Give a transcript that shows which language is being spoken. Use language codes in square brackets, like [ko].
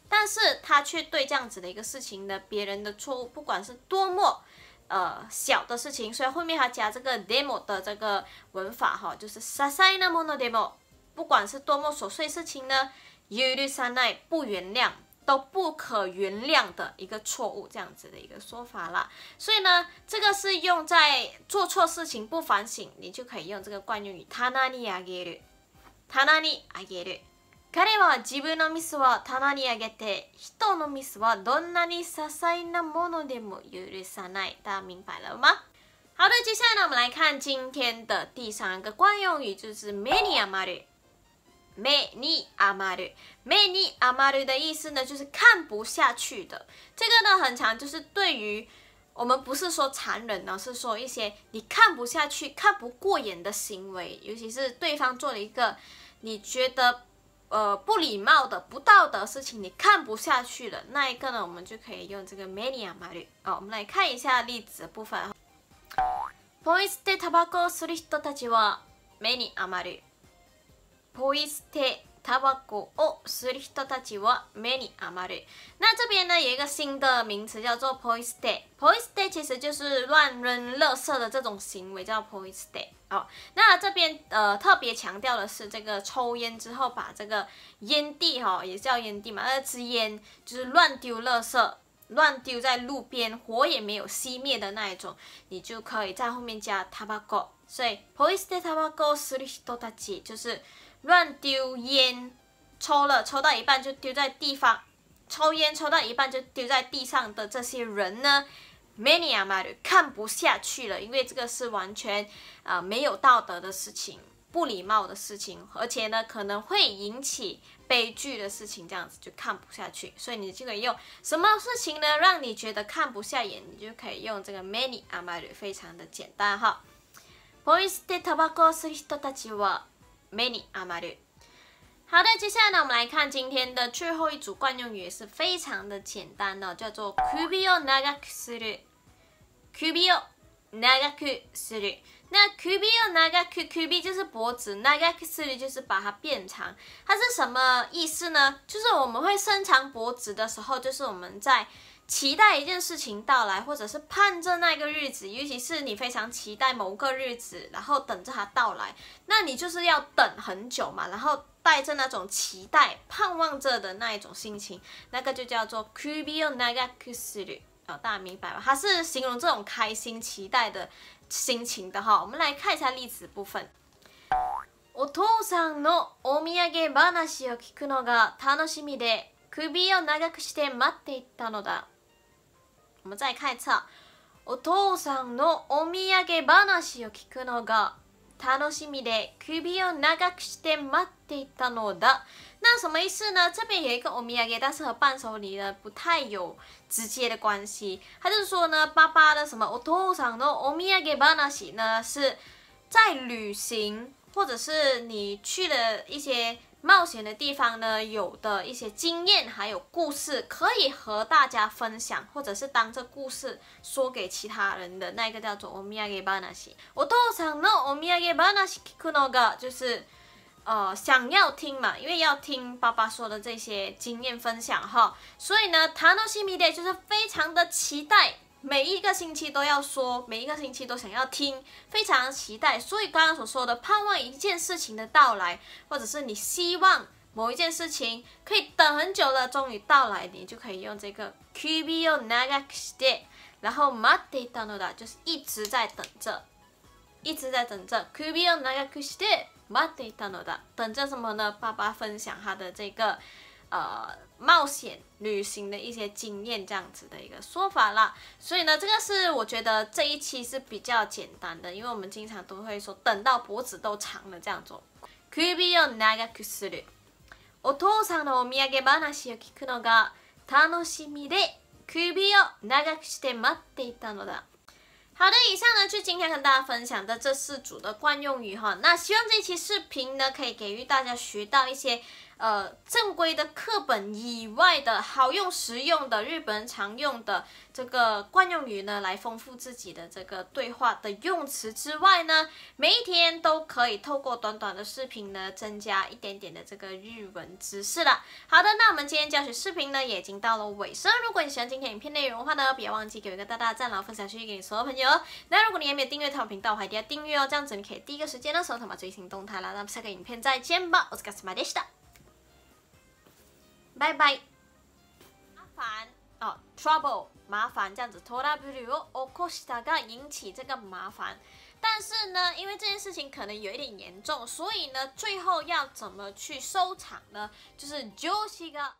[zh] 但是他却对这样子的一个事情的别人的错误，不管是多么小的事情，所以后面他加这个 demo 的这个文法哈，就是 [ja] 些細なものでも， [zh] 不管是多么琐碎事情呢， [ja] 許さない [zh] 不原谅，都不可原谅的一个错误，这样子的一个说法啦。所以呢，这个是用在做错事情不反省，你就可以用这个惯用语 [ja] 棚にあげる。棚にあげる。彼は自分のミスは棚にあげて、人のミスはどんなに些細なものでも許さない。 [zh] 大家明白了吗？好的，接下来呢，我们来看今天的第三个惯用语，就是 [ja] 目に余る。目に余る。目に余る [zh] 的意思呢，就是看不下去的。这个呢，很常就是对于我们不是说残忍呢，是说一些你看不下去、看不过眼的行为，尤其是对方做了一个你觉得不礼貌的、不道德事情，你看不下去了，那一个呢，我们就可以用这个 [ja] 目に余る。 [zh] 好，我们来看一下例子的部分。 [ja] ポイ捨てタバコをする人たちは目に余る。ポイ捨てタバコをする人たちは目に余る。 [zh] 那这边呢有一个新的名词叫做 [ja] ポイ捨て。 [zh] ポイ捨て其实就是乱扔垃圾的这种行为叫ポイ捨て。好，那这边特别强调的是这个抽烟之后把这个烟蒂哈、哦、也叫烟蒂嘛，那支烟就是乱丢垃圾，乱丢在路边，火也没有熄灭的那一种，你就可以在后面加タバコ。所以 [ja] ポイ捨てタバコをする人たち [zh] 就是乱丢烟，抽了抽到一半就丢在地方，抽烟抽到一半就丢在地上的这些人呢， [ja] 目に余る， [zh] 看不下去了，因为这个是完全没有道德的事情，不礼貌的事情，而且呢可能会引起悲剧的事情，这样子就看不下去。所以你就可以用什么事情呢让你觉得看不下眼，你就可以用这个 [ja] 目に余る， [zh] 非常的简单哈。 [ja] ポイ捨てタバコをする人たちは目に余る。 [zh] 好的，接下来呢，我们来看今天的最后一组惯用语，也是非常的简单的，叫做 [ja] 首を長くする。首を長くする。 [zh] 那 [ja] 首を長く， [zh] 首就是脖子， [ja] 長くする [zh] 就是把它变长。它是什么意思呢？就是我们会伸长脖子的时候，就是我们在期待一件事情到来，或者是盼着那个日子，尤其是你非常期待某个日子，然后等着它到来，那你就是要等很久嘛，然后带着那种期待、盼望着的那一种心情，那个就叫做 [ja] 首を長くする。 [zh] 哦，大家明白吗？它是形容这种开心、期待的心情的哈。我们来看一下例子部分。 [ja] お父さんのお土産話を聞くのが楽しみで、首を長くして待っていたのだ。 [zh] 我们再看一次。 [ja] お父さんのお土産話を聞くのが楽しみで、首を長くして待っていたのだ。 [zh] 那什么意思呢？这边有一个お土産，但是和伴手礼呢不太有直接的关系。他就是说呢，爸爸的什么 [ja] お父さんのお土産話 [zh] 呢，是在旅行或者是你去了一些冒险的地方呢，有的一些经验还有故事可以和大家分享，或者是当这故事说给其他人的，那个叫做 [ja] お土産話。お父さんのお土産話聞くのが [zh] 就是想要听嘛，因为要听爸爸说的这些经验分享哈，所以呢 [ja] 楽しみで [zh] 就是非常的期待，每一个星期都要说，每一个星期都想要听，非常期待。所以刚刚所说的盼望一件事情的到来，或者是你希望某一件事情可以等很久了终于到来，你就可以用这个 [ja] 首を長くして， [zh] 然后 [ja] 待っていたのだ [zh] 就是一直在等着，一直在等着。 [ja] 首を長くして待っていたのだ， [zh] 等着什么呢？爸爸分享他的这个冒险旅行的一些经验，这样子的一个说法啦。所以呢，这个是我觉得这一期是比较简单的，因为我们经常都会说等到脖子都长了这样做。 [ja] 首を長くする。お父さんのお土産話を聞くのが楽しみで、首を長くして待っていたのだ。 [zh] 好的，以上呢是今天跟大家分享的这四组的惯用语哈。那希望这期视频呢可以给予大家学到一些正规的课本以外的好用实用的日本人常用的这个惯用语呢，来丰富自己的这个对话的用词之外呢，每一天都可以透过短短的视频呢增加一点点的这个日文知识了。好的，那我们今天教学视频呢也已经到了尾声，如果你喜欢今天影片内容的话呢，别忘记给我一个大大的赞，然后分享出去给你所有朋友。那如果你还没有订阅我频道，我还一定要订阅哦，这样子你可以第一个时间的时候他们最新动态了。那下个影片再见吧， [ja] お疲れ様でした。バイバイ。 [zh] 麻烦哦 ，trouble 麻烦这样子 ，trouble [ja] 起こしたが [zh] 引起这个麻烦。但是呢，因为这件事情可能有一点严重，所以呢，最后要怎么去收场呢？就是 [ja] 上司が。